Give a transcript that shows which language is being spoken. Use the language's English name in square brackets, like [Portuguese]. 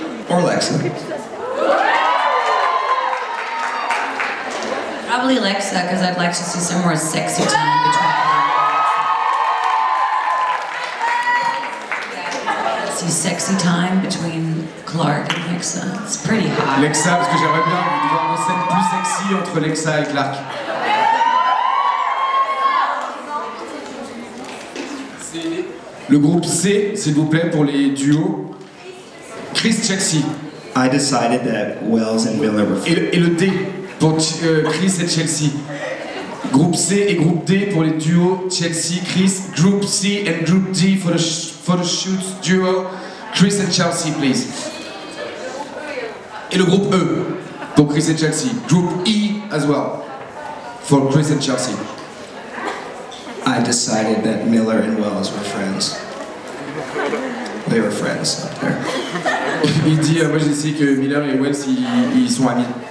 [English] Or Alexa. Probably Alexa, because I'd like to see some more sexy time between her and Alexa. Yeah. See sexy time between Clark and Alexa. It's pretty hot. [French] Alexa, parce que j'aimerais bien voir une scène plus sexy entre Alexa et Clark. C'est le groupe C, s'il vous plaît, pour les duos. Chris Chelsea. [English] I decided that Wells and Miller were [French] fine. Et le D pour Chris et Chelsea. Groupe C et groupe D pour les duos Chelsea, Chris. [English] Group C and group D for the shoot duo. [French] Chris et Chelsea, please. Et le groupe E pour Chris et Chelsea. [English] Group E as well for Chris et Chelsea. I decided that Miller and Wells were friends. They were friends. [French] Il dit, moi je sais que Miller et Wells ils sont amis.